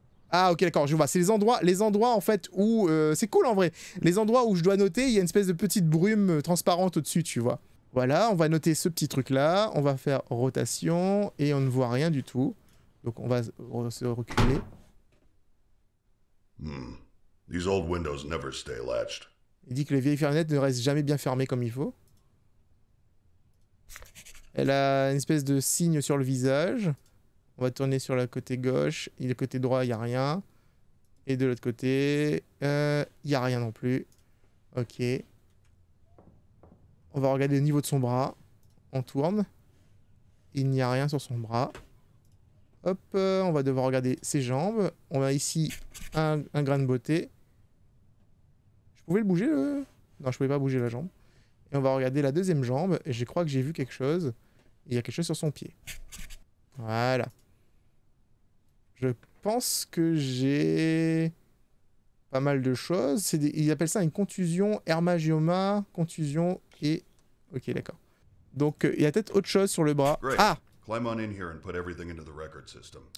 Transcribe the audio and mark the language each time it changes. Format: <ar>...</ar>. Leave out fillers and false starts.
<fr>Ah, ok, d'accord, je vois. C'est les endroits, en fait, où... c'est cool, en vrai. Les endroits où je dois noter, il y a une espèce de petite brume transparente au-dessus, tu vois. Voilà, on va noter ce petit truc-là, on va faire rotation, et on ne voit rien du tout. Donc on va se reculer.</fr> <en>These old windows never stay latched.</en> <fr>Il dit que les vieilles fenêtres ne restent jamais bien fermées comme il faut. Elle a une espèce de signe sur le visage. On va tourner sur le côté gauche, et le côté droit, il n'y a rien. Et de l'autre côté, il n'y a rien non plus. Ok. On va regarder le niveau de son bras. On tourne. Il n'y a rien sur son bras. Hop, on va devoir regarder ses jambes. On a ici un grain de beauté. Je pouvais le bouger, le... Non, je pouvais pas bouger la jambe. Et on va regarder la deuxième jambe. Et je crois que j'ai vu quelque chose. Il y a quelque chose sur son pied. Voilà. Je pense que j'ai... pas mal de choses. Ils appellent ça une contusion, hermangioma, contusion et... Ok, d'accord. Donc, il y a peut-être autre chose sur le bras.</fr> <en>Great. Ah, climb on in here and put everything into the record system.</en>